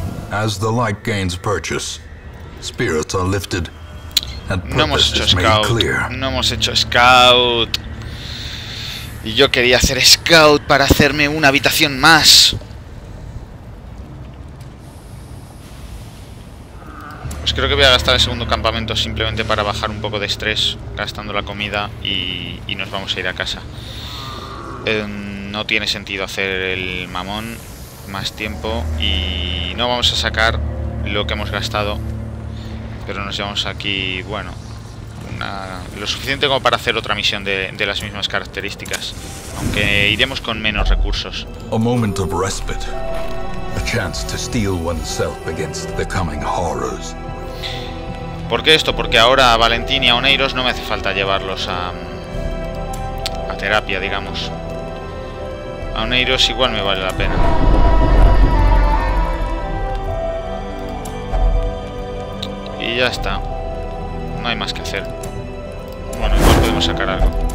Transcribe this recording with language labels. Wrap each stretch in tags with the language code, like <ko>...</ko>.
<en>As the light gains purchase, spirits are lifted, and purpose is made clear.</en> <es>No hemos hecho scout. Y yo quería hacer scout para hacerme una habitación más. Pues creo que voy a gastar el segundo campamento simplemente para bajar un poco de estrés, gastando la comida y nos vamos a ir a casa. No tiene sentido hacer el mamón más tiempo y no vamos a sacar lo que hemos gastado, pero nos llevamos aquí, bueno, lo suficiente como para hacer otra misión de las mismas características, aunque iremos con menos recursos.</es> <en>A moment of respite, a chance to steel oneself against the coming horrors.</en> <es>¿Por qué esto? Porque ahora a Valentín y a Oneiros no me hace falta llevarlos a terapia, digamos. A Oneiros igual me vale la pena. Y ya está. No hay más que hacer. Bueno, igual podemos sacar algo.</es>